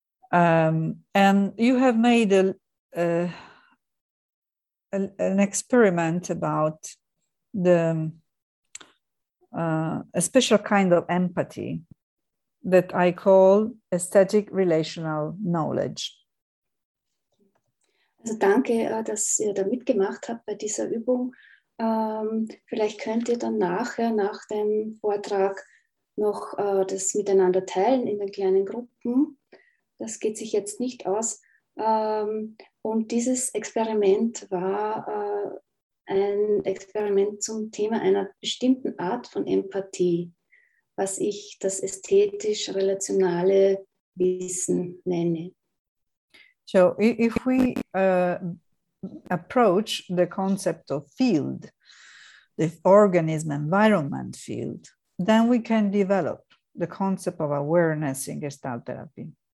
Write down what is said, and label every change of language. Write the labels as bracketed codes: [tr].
[en] And you have made an experiment about the a special kind of empathy that I call aesthetic relational knowledge. [de] Also danke, dass ihr da mitgemacht habt bei dieser Übung. Vielleicht könnt ihr dann nachher, nach dem Vortrag, noch das miteinander teilen in den kleinen Gruppen. Das geht sich jetzt nicht aus. Und dieses Experiment war ein Experiment zum Thema einer bestimmten Art von Empathie, was ich das ästhetisch-relationale Wissen nenne. [en] So, if we approach the concept of field, the organism environment field, then we can develop the concept of awareness in Gestalt Therapy.